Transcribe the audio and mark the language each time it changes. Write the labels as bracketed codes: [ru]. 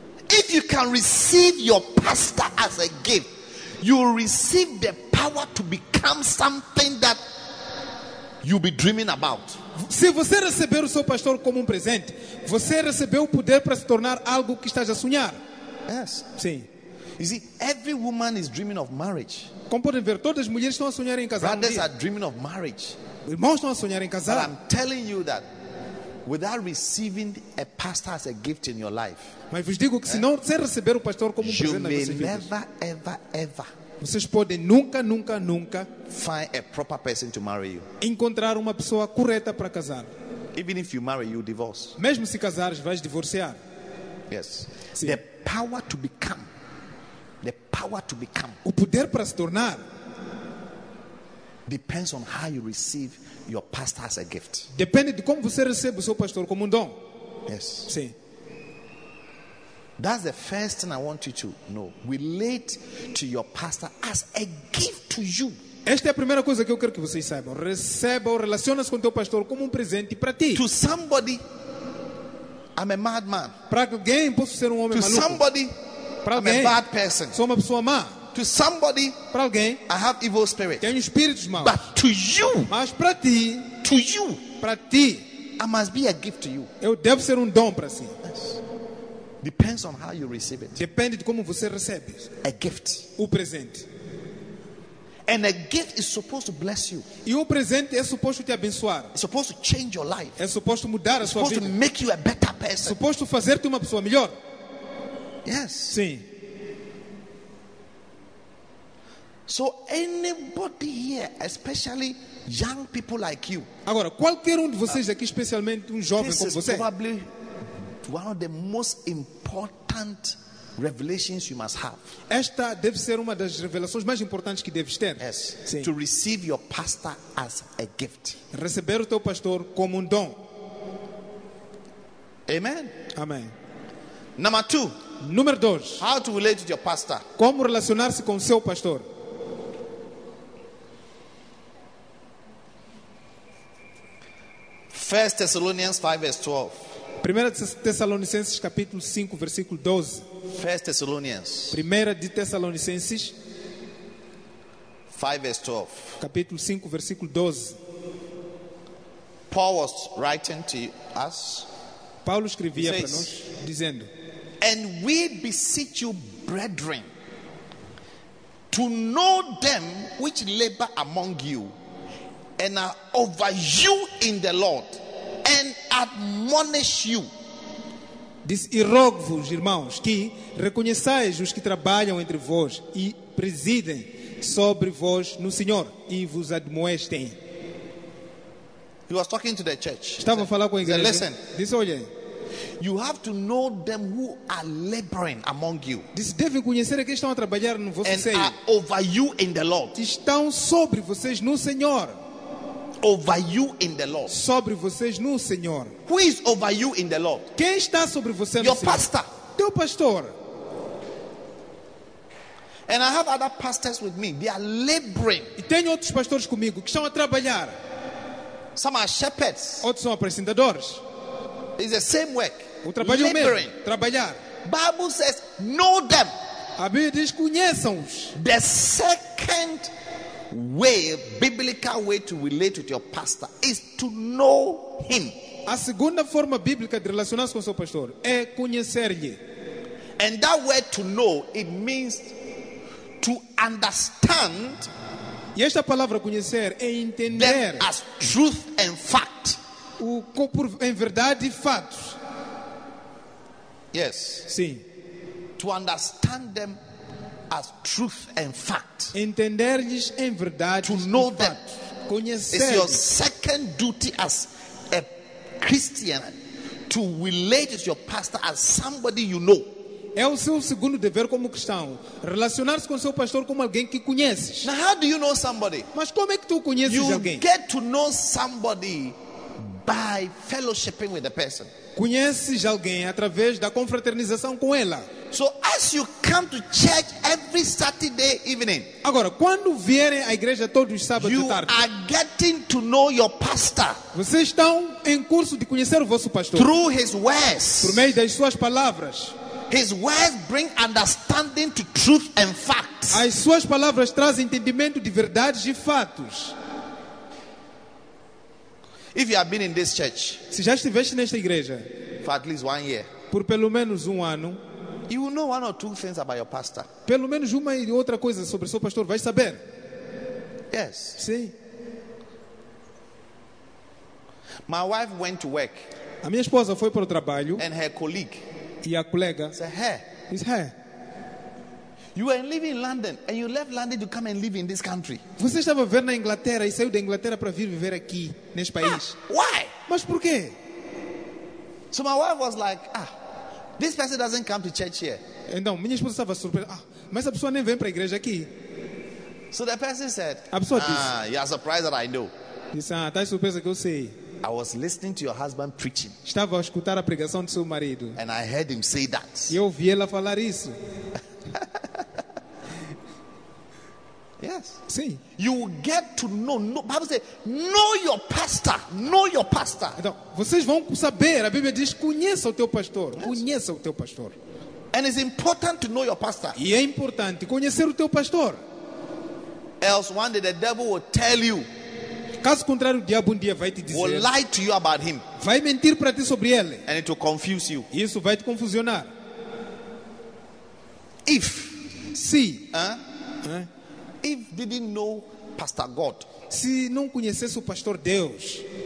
[en] If you can receive your pastor as a gift, you will receive the power to become something that you'll be dreaming about. [pt] Se você receber o seu pastor como presente, você recebeu o poder para se tornar algo que estás a sonhar. [en] Yes. [pt] Sim. [en] You see, every woman is dreaming of marriage. [pt] Como podem ver, todas as mulheres estão a sonhar em casar. [en] Brothers are dreaming of marriage. [pt] Irmãos estão a sonhar em casar. [en] But I'm telling you that without receiving a pastor as a gift in your life, [pt] mas vos digo que se não, sem receber o pastor como presente, [en] you may never, ever, ever. [pt] Vocês podem nunca, nunca, nunca [en] find a proper person to marry you. [pt] Encontrar uma pessoa correta para casar. [en] Even if you marry, you divorce. [pt] Mesmo se casares, vais divorciar. [en] Yes. [pt] Sim. [en] The power to become. The power to become. [pt] O poder para se tornar [en] depends on how you receive your pastor as a gift. [pt] Depende de como você recebe o seu pastor como dom. [en] Yes. [pt] Sim. [en] That's the first thing I want you to know. Relate to your pastor as a gift to you. [pt] Esta é a primeira coisa que eu quero que vocês saibam. Receba ou relaciona-se com teu pastor como presente para ti. [en] To somebody, I'm a madman. [pt] Para alguém, posso ser homem maluco. [en] To somebody, [pt] para alguém, [en] I'm a bad person. [pt] Sou uma pessoa má. [en] To somebody, [pt] para alguém, [en] I have evil spirit. [pt] Tenho espíritos maus. [en] But to you, [pt] mas para ti, [en] to you, [pt] para ti, [en] I must be a gift to you. [pt] Eu devo ser dom para si. [en] Depends on how you receive it. [pt] Depende de como você recebe. [en] A gift. [pt] O presente. [en] And a gift is supposed to bless you. [pt] E o presente é suposto te abençoar. [en] It's supposed to change your life. [pt] É suposto mudar [en] it's [pt] a sua vida. [en] It's supposed to make you a better person. [pt] É suposto fazer-te uma pessoa melhor. [en] Yes. [pt] Sim. [en] So anybody here, especially young people like you. [pt] Agora, qualquer de vocês aqui, especialmente jovem como você. [en] Probably one of the most important revelations you must have. [pt] Esta deve ser uma das revelações mais importantes que deves ter. [en] Yes. [pt] Sim. [en] To receive your pastor as a gift. [pt] Receber o teu pastor como dom. [en] Amen. [pt] Amém. [en] Number two. [pt] Número dois. [en] How to relate with your pastor. [pt] Como relacionar-se com seu pastor. [en] First Thessalonians 5 verse 12. [pt] 1 Tessalonicenses capítulo 5 versículo 12. [en] First Thessalonians. [pt] 1 de Tessalonicenses [en] 5 verse 12. [pt] Capítulo 5 versículo 12. [en] Paul was writing to us. [pt] Paulo escrevia para nós dizendo: [en] "And we beseech you, brethren, to know them which labor among you and are over you in the Lord." And admonish you. [pt] Diz, e rogo-vos, irmãos, que reconheçais os que trabalham entre vós e presidem sobre vós no Senhor e vos admoestem. [en] He was talking to the church. [pt] Estava a falar com a igreja. [en] Listen. [pt] Diz, olha, [en] you have to know them who are laboring among you. [pt] Diz, devem conhecer aqueles que estão a trabalhar no vosso [en] seio. And are over you in the Lord. [pt] Estão sobre vocês no Senhor. [en] over you in the Lord? [pt] Sobre vocês no Senhor. [en] Who is over you in the Lord? [pt] Quem está sobre você no Your Senhor? Pastor. Teu pastor. [en] And I have other pastors with me. They are laboring. [pt] E tenho outros pastores comigo que estão a trabalhar. [en] Some are shepherds. [pt] Outros são apacentadores. [en] It's the same work. [pt] O trabalho mesmo. Trabalhar. [en] Bible says, know them. [pt] A Bíblia diz, conheçam-os. [en] The second way, biblical way to relate with your pastor is to know him. [pt] A segunda forma bíblica de relacionar-se com seu pastor é conhecer-lhe. [en] And that word to know, it means to understand. [pt] E esta palavra conhecer é entender. [en] As truth and fact. [pt] O por em verdade e fatos. [en] Yes. [pt] Sim. [en] To understand them as truth and fact. [pt] Entender-lhes em verdade. [en] To know them. [pt] Conhecer. [en] It's your second duty as a Christian to relate with your pastor as somebody you know. [pt] É o seu segundo dever como cristão, relacionar-se com seu pastor como alguém que conheces. [en] Now, how do you know somebody? [pt] Mas como é que tu conheces [en] you [pt] alguém? [en] You get to know somebody by fellowshipping with the person. [pt] Conheces alguém através da confraternização com ela. [en] So as you come to church every Saturday evening. [pt] Agora, quando vierem à igreja todos os sábados [en] you [pt] de tarde. [en] You are getting to know your pastor. [pt] Vocês estão em curso de conhecer o vosso pastor. [en] Through his words. [pt] Por meio das suas palavras. [en] His words bring understanding to truth and facts. [pt] As suas palavras trazem entendimento de verdades e fatos. [en] If you have been in this church, [pt] se já estiveste nesta igreja, [en] for at least 1 year, [pt] por pelo menos 1 ano, [en] you will know one or two things about your pastor. [pt] Pelo menos uma e outra coisa sobre seu pastor vai saber. [en] Yes. [pt] Sim. [en] My wife went to work. [pt] A minha esposa foi para o trabalho. [en] And her colleague. [pt] E a colega. [en] Said, hey. Is her. You were living in London and you left London to come and live in this country. [pt] Você estava vivendo na Inglaterra e saiu da Inglaterra para vir viver aqui neste país. [en] Why? [pt] Mas por quê? [en] So my wife was like, ah, this person doesn't come to church here. [pt] Então, minha esposa estava surpresa. Ah, mas a pessoa nem vem para a igreja aqui. [en] So the person said, [pt] a pessoa disse, [en] ah, you are surprised that I know. [pt] Disse, ah, tá surpresa que eu sei. [en] I was listening to your husband preaching. [pt] Estava a escutar a pregação do seu marido. [en] And I heard him say that. [pt] E eu ouvi ela falar isso. [en] Yes. [pt] Sim. [en] You will get to know. No, Bible says, know your pastor. Know your pastor. [pt] Então, vocês vão saber. A Bíblia diz, conheça o teu pastor. Yes. Conheça o teu pastor. [en] And it's important to know your pastor. [pt] E é importante conhecer o teu pastor. [en] Else one day the devil will tell you. [pt] Caso contrário, o diabo um dia vai te dizer. [en] Will lie to you about him. [pt] Vai mentir para ti sobre ele. [en] And it will confuse you. [pt] Isso vai te confusionar. [en] If. [pt] Se. [en] If didn't know Pastor God, [pt] se não conhecesse o Pastor Deus,